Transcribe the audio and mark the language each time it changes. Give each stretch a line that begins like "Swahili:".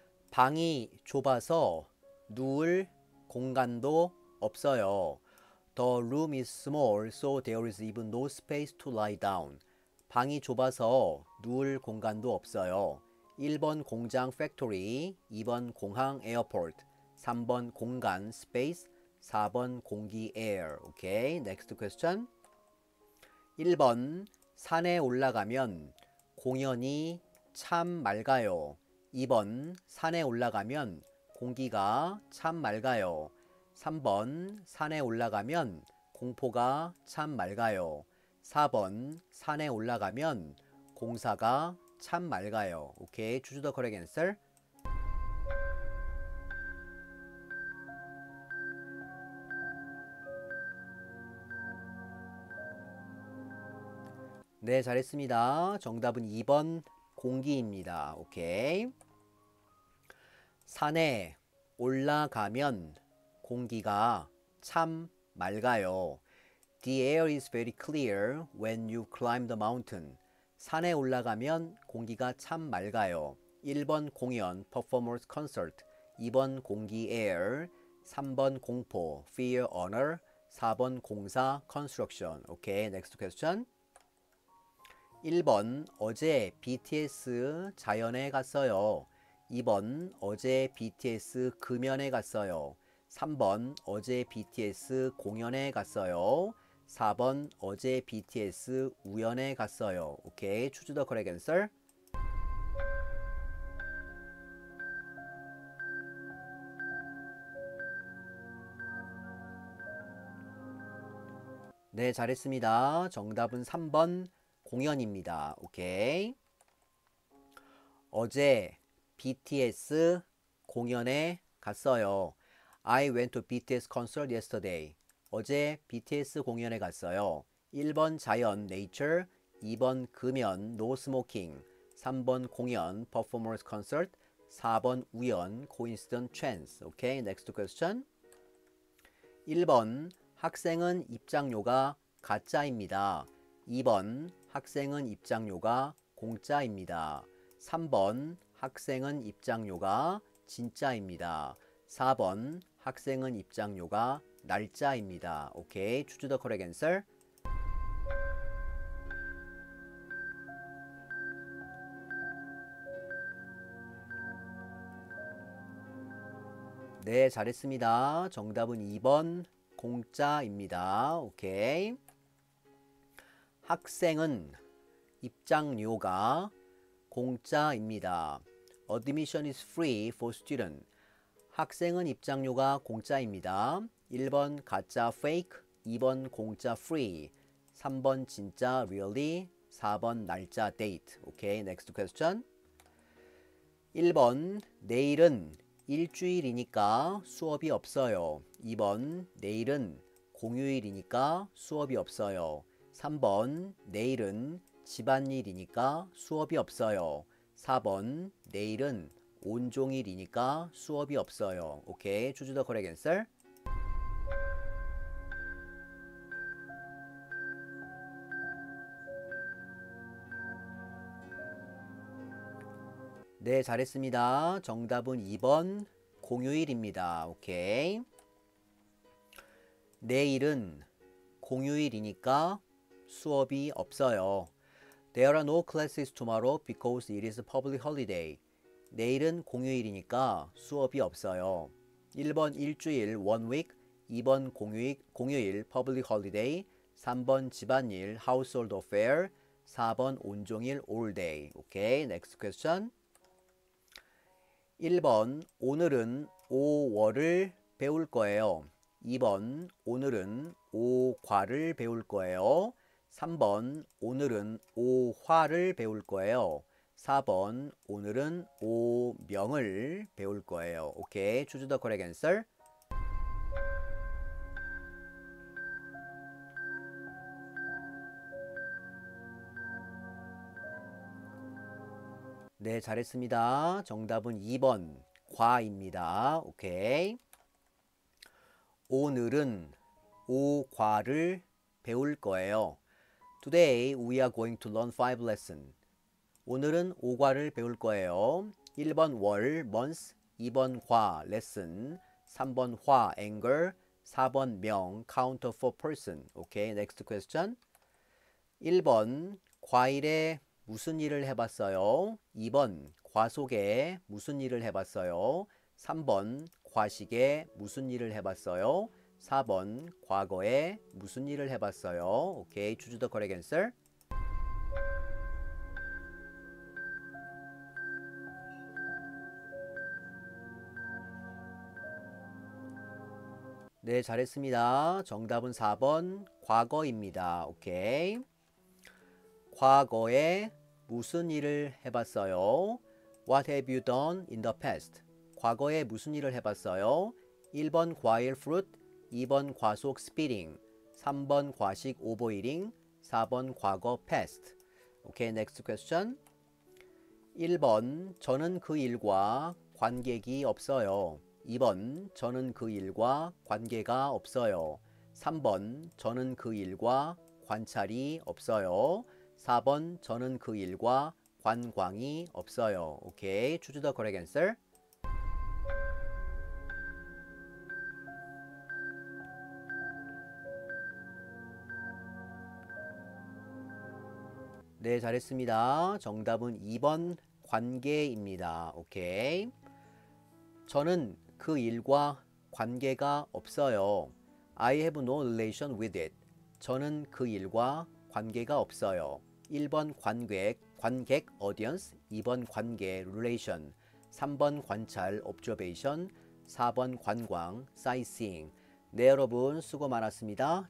Korean: 방이 좁아서 누울 공간도 없어요.
English: The room is small, so there is even no space to lie down.
Korean: 방이 좁아서 누울 공간도 없어요. 1번 공장 factory, 2번 공항 airport, 3번 공간 space, 4번 공기 air.
English: Okay, next question.
Korean: 1번 산에 올라가면 공연이 참 맑아요. 2번 산에 올라가면 공기가 참 맑아요. 3번, 산에 올라가면 공포가 참 맑아요. 4번, 산에 올라가면 공사가 참 맑아요.
English: 오케이, choose the correct answer.
Korean: 네, 잘했습니다. 정답은 2번, 공기입니다. 오케이. 산에 올라가면 공기가 참 맑아요.
English: The air is very clear when you climb the mountain.
Korean: 산에 올라가면 공기가 참 맑아요. 1번 공연,
English: performance concert.
Korean: 2번 공기, air. 3번 공포,
English: fear, honor.
Korean: 4번 공사, construction.
English: Okay, next question.
Korean: 1번 어제 BTS 자연에 갔어요. 2번 어제 BTS 금연에 갔어요. 3번 어제 BTS 공연에 갔어요. 4번 어제 BTS 우연에 갔어요.
English: 오케이, choose the correct answer.
Korean: 네, 잘했습니다. 정답은 3번 공연입니다. 오케이. 어제 BTS 공연에 갔어요.
English: I went to BTS concert yesterday.
Korean: 어제 BTS 공연에 갔어요. 1번 자연, nature. 2번 금연,
English: no smoking.
Korean: 3번 공연,
English: performance concert.
Korean: 4번 우연,
English: coincident chance. Okay, next question.
Korean: 1번 학생은 입장료가 가짜입니다. 2번 학생은 입장료가 공짜입니다. 3번 학생은 입장료가 진짜입니다. 4번 학생은 입장료가 날짜입니다. 오케이.
English: Choose the correct answer.
Korean: 네, 잘했습니다. 정답은 2번 공짜입니다. 오케이. 학생은 입장료가 공짜입니다.
English: Admission is free for student.
Korean: 학생은 입장료가 공짜입니다. 1번 가짜 fake, 2번 공짜 free, 3번 진짜 really, 4번 날짜 date.
English: 오케이, okay, next question.
Korean: 1번 내일은 일주일이니까 수업이 없어요. 2번 내일은 공휴일이니까 수업이 없어요. 3번 내일은 집안일이니까 수업이 없어요. 4번 내일은 온종일이니까 수업이 없어요.
English: 오케이, choose the correct answer.
Korean: 네, 잘했습니다. 정답은 2번 공휴일입니다. 오케이. 내일은 공휴일이니까 수업이 없어요.
English: There are no classes tomorrow because it is a public holiday.
Korean: 내일은 공휴일이니까 수업이 없어요. 1번 일주일
English: one week,
Korean: 2번 공휴일
English: public holiday,
Korean: 3번 집안일
English: household affair,
Korean: 4번 온종일
English: all day. 오케이. Next question.
Korean: 1번, 오늘은 오월을 배울 거예요. 2번, 오늘은 오과를 배울 거예요. 3번, 오늘은 오화를 배울 거예요. 4번, 오늘은 오명을 배울 거예요.
English: 오케이, choose the correct answer.
Korean: 네, 잘했습니다. 정답은 2번 과입니다. 오케이. 오늘은 오과를 배울 거예요.
English: Today we are going to learn five lessons.
Korean: 오늘은 오과를 배울 거예요. 1번 월 months, 2번 과 lesson, 3번 화 anger, 4번 명
English: count for person. 오케이, next question.
Korean: 1번 과일에 무슨 일을 해봤어요? 2번, 과속에 무슨 일을 해봤어요? 3번, 과식에 무슨 일을 해봤어요? 4번, 과거에 무슨 일을 해봤어요?
English: 오케이, choose the correct answer.
Korean: 네, 잘했습니다. 정답은 4번, 과거입니다. 오케이. 과거에 무슨 일을 해봤어요?
English: What have you done in the past?
Korean: 과거에 무슨 일을 해봤어요? 1번 과일 fruit, 2번 과속 spitting, 3번 과식 overeating, 4번 과거 past.
English: Okay, next question.
Korean: 1번 저는 그 일과 관계가 없어요. 2번 저는 그 일과 관계가 없어요. 3번 저는 그 일과 관찰이 없어요. 4번, 저는 그 일과 관광이 없어요.
English: 오케이, choose the correct answer.
Korean: 네, 잘했습니다. 정답은 2번, 관계입니다. 오케이. 저는 그 일과 관계가 없어요.
English: I have no relation with it.
Korean: 저는 그 일과 관계가 없어요. 1번 관객 audience, 2번 관계 relation, 3번 관찰 observation, 4번 관광 sightseeing. 네, 여러분 수고 많았습니다.